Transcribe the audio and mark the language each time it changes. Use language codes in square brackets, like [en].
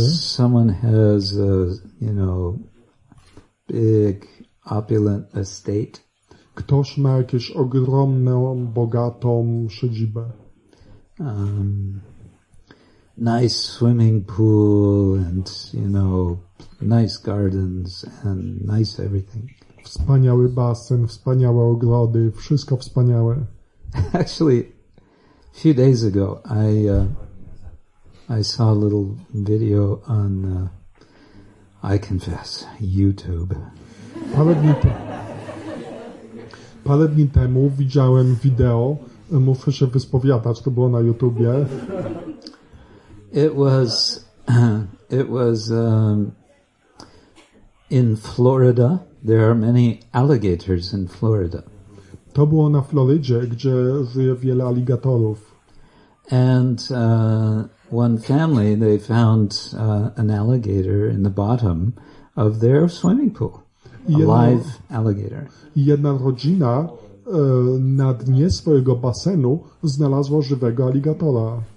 [en] Someone has a, you know, big opulent estate. [pl] Ktoś ma jakąś ogromną, bogatą siedzibę. [en] Nice swimming pool and, you know, nice gardens and nice everything. [pl] Wspaniały basen, wspaniałe ogrody, wszystko wspaniałe. [en] Actually, a few days ago, I saw a little video on, I confess, YouTube. [pl] Parę dni temu widziałem wideo, muszę się wyspowiadać, to było na YouTubie. [en] It was In Florida, there are many alligators in Florida. [pl] To było na Florydzie, gdzie żyje wiele aligatorów. [en] And one family, they found an alligator in the bottom of their swimming pool. Live alligator. [pl] I jedna rodzina na dnie swojego basenu znalazła żywego aligatora.